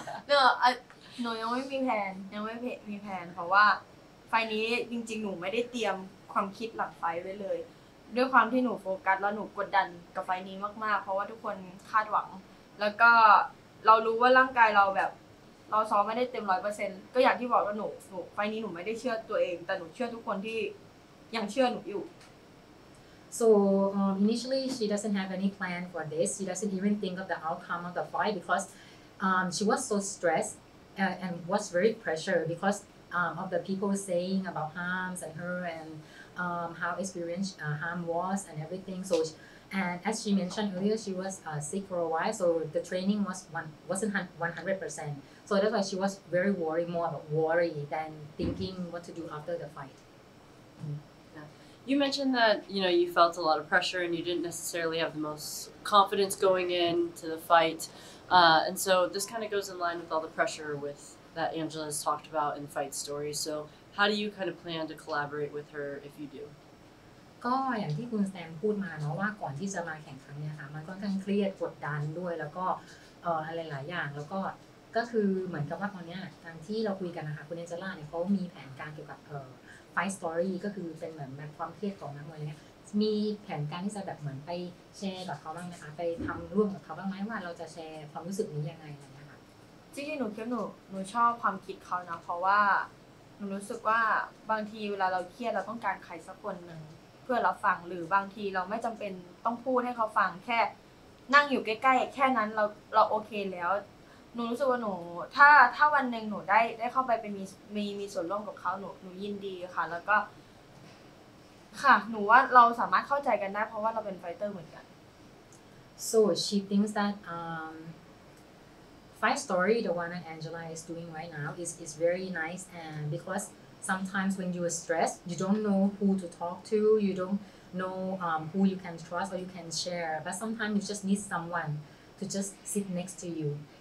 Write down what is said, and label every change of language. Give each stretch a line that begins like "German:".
Thai: No หนูยังไม่มีแผนยังไม่มีแผนเพราะว่าไฟนี้จริงๆหนูไม่ได้เตรียมความคิดหลังไฟไว้เลยด้วยความที่หนูโฟกัสแล้วหนูกดดันกับไฟนี้มากๆเพราะว่าทุกคนคาดหวังแล้วก็เรารู้ว่าร่างกายเราแบบเราซ้อมไม่ได้เต็ม 100% ก็อย่างที่บอกว่าหนูไฟนี้หนูไม่ได้เชื่อตัวเองแต่หนูเชื่อทุกคนที่ยังเชื่อหนูอยู่
English: So initially she doesn't have any plan for this. She doesn't even think of the outcome of the fight because she was so stressed and was very pressured because of the people saying about Hams and her and how experienced Ham was and everything. So she, and as she mentioned earlier, she was sick for a while, so the training wasn't 100%. So that's why she was very worried, more about worry than thinking what to do after the fight. You mentioned that, you know, you felt a lot of pressure and you didn't necessarily have the most confidence going into the fight. And so this kind of goes in line with all the pressure with that Angela has talked about in the fight story. So how do you kind of plan to collaborate with her if you do?
Thai: ก็อย่างที่คุณแซมพูดมาเนาะว่าก่อนที่จะมาแข่งขันเนี่ยค่ะมันค่อนข้างเครียดกดดันด้วยแล้วก็อะไรหลายอย่างแล้วก็คือเหมือนกับว่าตอนเนี้ยทางที่เราคุยกันนะคะคุณเอนเจล่าเนี่ยเค้ามีแผนการเกี่ยวกับไฟสตอรี่ก็คือเป็นเหมือนแบบความเครียดของนักมวยเนี่ยมีแผนการที่จะแบบเหมือนไปแชร์กับเค้าบ้างนะคะไปทําร่วมกับเค้าบ้างมั้ยว่าเราจะแชร์ความรู้สึกนี้ยังไงอะไรเงี้ยค่ะ จริงๆหนูชอบความคิดเค้านะเพราะว่าหนูรู้สึกว่าบางทีเวลาเราเครียดเราต้องการใครสักคนนึงเพื่อรับฟังหรือบางทีเราไม่จําเป็นต้องพูดให้เขาฟังแค่นั่งอยู่ใกล้ๆแค่นั้นเราโอเคแล้วหนูรู้สึกว่าหนูถ้าวันนึงหนูได้เข้าไปเป็นมีส่วนร่วมกับเขาหนูยินดีค่ะแล้วก็ค่ะหนูว่าเราสามารถเข้าใจกันได้เพราะว่าเราเป็นไฟเตอร์เหมือนกัน
English: So she thinks that fight story the one that Angela is doing right now is very nice and becauseSometimes when you are stressed, you don't know who to talk to, you don't know who you can trust or you can share. But sometimes you just need someone to just sit next to you.